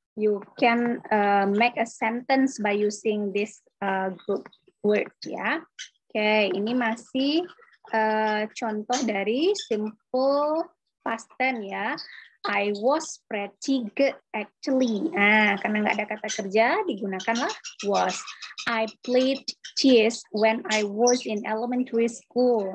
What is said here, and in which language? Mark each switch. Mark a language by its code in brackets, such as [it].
[en] you can make a sentence by using this group word ya. [id] Okay, ini masih contoh dari simple past tense ya. [en] I was pretty good actually. [id] Nah, karena nggak ada kata kerja, digunakanlah was. [en] I played chess when I was in elementary school.